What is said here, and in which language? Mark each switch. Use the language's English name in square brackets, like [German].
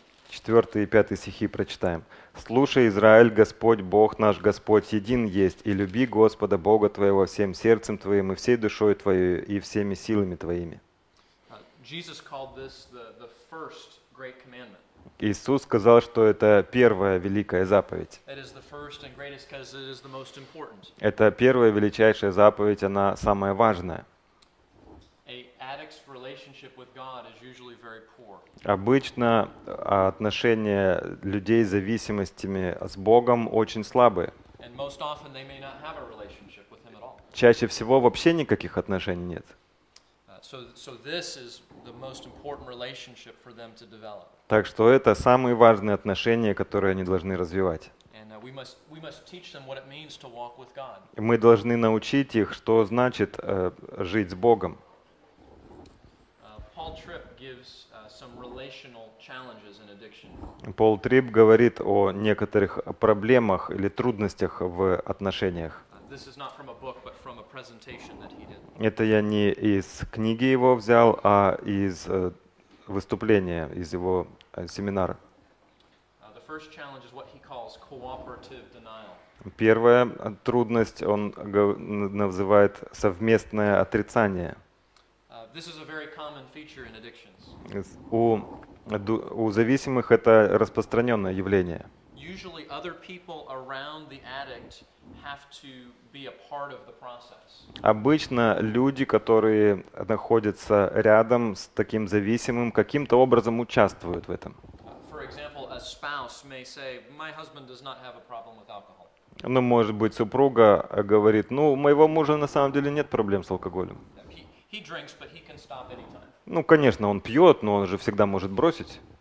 [Russian] Четвертый и пятый стихи прочитаем. «Слушай, Израиль, Господь, Бог наш, Господь, един есть, и люби Господа Бога твоего всем сердцем твоим, и всей душой твоей, и всеми силами твоими». [English] Jesus called this the first great commandment. [Russian] Иисус сказал, что это первая великая заповедь. [English] It is the first and greatest, because it is the most important. [Russian] Это первая величайшая заповедь, она самая важная. [English] A addict's relationship with God is usually very poor. [Russian] Обычно отношения людей с зависимостями с Богом очень слабые. [English] And most often they may not have a relationship with him at all. [Russian] Чаще всего вообще никаких отношений нет. [English] So this is the most important relationship for them to develop. [Russian] Так что это самые важные отношения, которые они должны развивать. [English] And we must teach them what it means to walk with God. [Russian] Мы должны научить их, что значит жить с Богом. [English] Paul Tripp gives some relational challenges in addiction. [Russian] Пол Трипп говорит о некоторых проблемах или трудностях в отношениях. [English] This is not from a book, but from a presentation that he did. [Russian] Это я не из книги его взял, а из выступления, из его семинара. [English] The first challenge is what he calls cooperative denial. [Russian] Первая трудность он называет совместное отрицание. [English] This is a very common feature in addictions. [Russian] У зависимых это распространенное явление. [English] Usually other people around the addict have to be a part of the process. [Russian] Обычно люди, которые находятся рядом с таким зависимым, каким-то образом участвуют в этом. [English] For example, a spouse may say, "My husband does not have a problem with alcohol." [Russian] Ну, может быть, супруга говорит: "Ну, у моего мужа на самом деле нет проблем с алкоголем." [English] He drinks, but he can stop anytime. [Russian] Ну, конечно, он пьет, но он же всегда может бросить.